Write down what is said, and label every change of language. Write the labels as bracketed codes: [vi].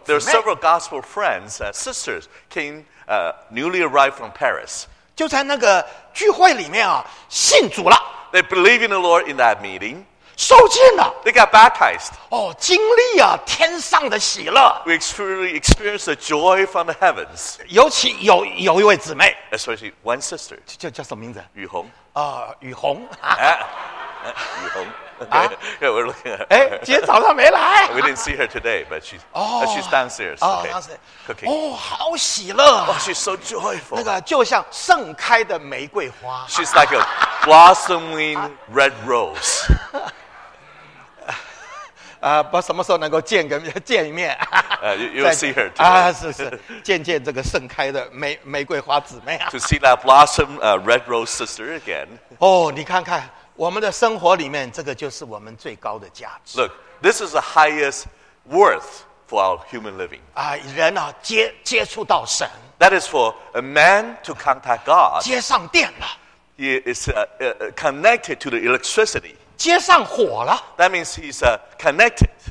[en] There are several gospel friends, sisters came, newly arrived from Paris. [zh] 就在那个聚会里面信主了。 [en] They believe in the Lord in that meeting. [zh] 受浸了。 [en] They got baptized. [zh] 经历天上的喜乐。 [en] We truly experienced the joy from the heavens. [zh] 尤其有一位姊妹。 [en] Especially one sister. [zh] 叫什么名字？雨虹。雨虹。雨虹。 [en] Okay, yeah, we're looking at her. [zh] 今天早上没来。 [en] We didn't see her today, but she's downstairs. Cooking. [zh] 好喜乐。 [en] She's so joyful. [zh] 那个就像盛开的玫瑰花。 [en] She's like a blossoming red rose. [zh] 不什么时候能够见一面。 [en] You'll see her today. [zh] 是见见这个盛开的玫瑰花姊妹。 [en] To see that blossom, red rose sister again. [zh] 你看看。我们的生活里面，这个就是我们最高的价值。 [en] Look, this is the highest worth for our human living. [zh] 人接触到神。 [en] That is for a man to contact God. [zh] 接上电了。 [en] He is connected to the electricity. [zh] 接上火了。 [en] That means he's connected.